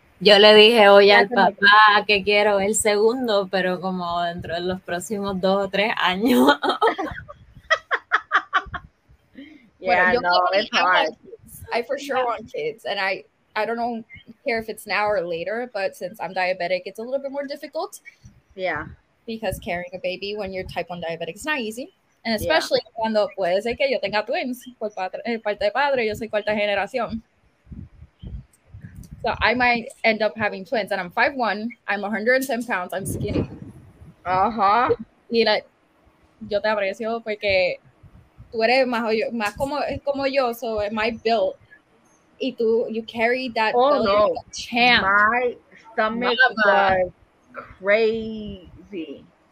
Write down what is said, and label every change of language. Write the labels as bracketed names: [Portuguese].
[Spanish] Yo le dije hoy al papá que quiero el segundo, pero como dentro de los próximos 2 o 3 años. [English] Yeah, [Spanish] bueno, [English] no, it's hard. I for sure want kids, and I don't know care if it's now or later, but since I'm diabetic, it's a little bit more difficult. Yeah. Because carrying a baby when you're type 1 diabetic is not easy. And especially [Spanish] cuando puede ser que yo tenga twins por parte de padre, yo soy cuarta generación. [English] So I might end up having twins, and I'm 5'1", I'm 110 pounds, I'm skinny. Uh-huh. [Spanish] Y yo te aprecio porque tú eres más como yo, [English] so am I built? [Spanish] Y tú, [English] you carry that belly like a champ. My stomach was crazy.